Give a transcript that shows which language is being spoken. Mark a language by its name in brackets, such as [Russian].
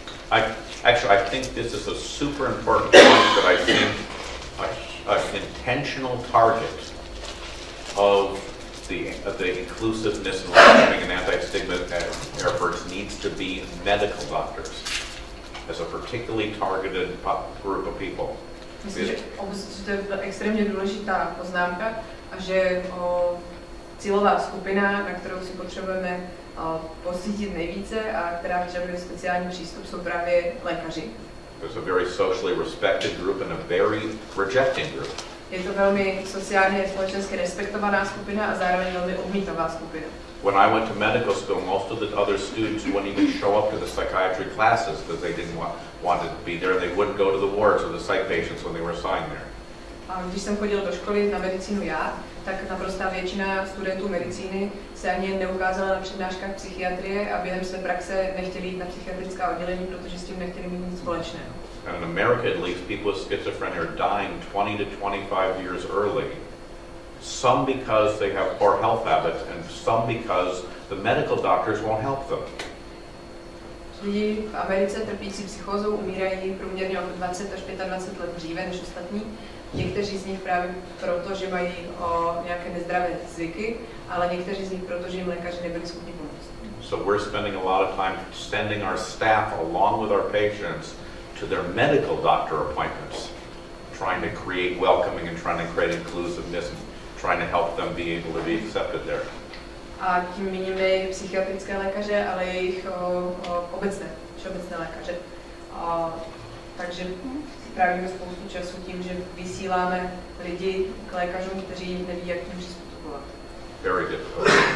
[English] I think this is a super important point that I think an intentional target of the inclusiveness and welcoming and anti-stigma efforts needs to be medical doctors as a particularly targeted group of people. [Czech] Myslím, že to je extrémně důležitá poznámka a že cílová skupina, na kterou si potřebujeme posítit nejvíce a která vyžaduje speciální přístup, jsou právě lékaři. [English] It's a very socially respected group and a very rejecting group. [Czech] Je to velmi sociálně a společensky respektovaná skupina a zároveň velmi odmítavá skupina. [English] When I went to medical school, most of the other students wouldn't even show up to the psychiatry classes because they didn't want to be there. They wouldn't go to the wards or the psych patients when they were assigned there. [Czech] A když jsem chodil do školy na medicínu já, tak naprostá většina studentů medicíny se ani neukázala na přednáškách psychiatrie a během své praxe nechtěli jít na psychiatrická oddělení, protože s tím nechtěli mít nic společného. [English] And in America at least, people with schizophrenia are dying 20 to 25 years early some because they have poor health habits, and some because the medical doctors won't help them. [Czech] Lidi v Americe trpící psychózou umírají průměrně o 20 až 25 let dříve než ostatní. Někteří z nich právě proto, že mají o nějaké nezdravé zvyky, ale někteří z nich proto, že jim lékaři nebyli schopni pomoct. [English] So we're spending a lot of time sending our staff along with our patients to their medical doctor appointments, trying to create welcoming and trying to create inclusiveness and trying to help them be able to be accepted there. [Czech] A tím míním ne psychiatrické lékaře, ale jejich obecné, všeobecné lékaře. Takže trávíme spoustu času tím, že vysíláme lidi k lékařům, kteří neví, jak tím přistupovat. [English] Very difficult.